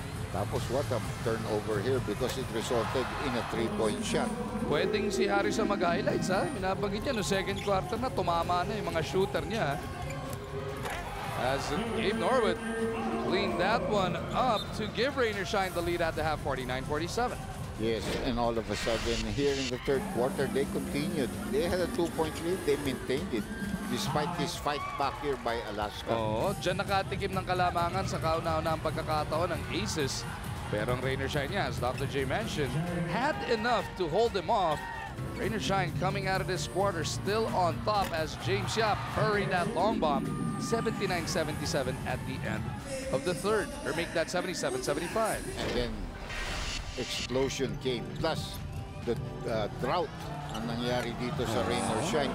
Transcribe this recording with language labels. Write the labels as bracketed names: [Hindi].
[Filipino] Tapos [English] what a turnover here because it resulted in a three-point shot. [Filipino] Pwedeng si Harris ang mag-highlights, ha? Minabagin niya, no, second quarter na, tumama na yung mga shooter niya, ha? [English] As Gabe Norwood cleaned that one up to give Rainier Shine the lead at the half, 49-47. Yes, and all of a sudden here in the third quarter, they continued. They had a two-point lead. They maintained it despite this fight back here by Alaska. [Filipino] Oh, dyan nakatikim ng kalamangan sa kauna-una ang pagkakataon ng Aces. Pero ang Rainier Shine, as Dr. [English] J mentioned, had enough to hold them off. Rainier Shine coming out of this quarter still on top as James Yap hurried that long bomb. 79-77 at the end of the third, or make that 77-75. And then explosion came, plus the drought [Filipino] ang nangyari dito sa [English] Rain or Shine.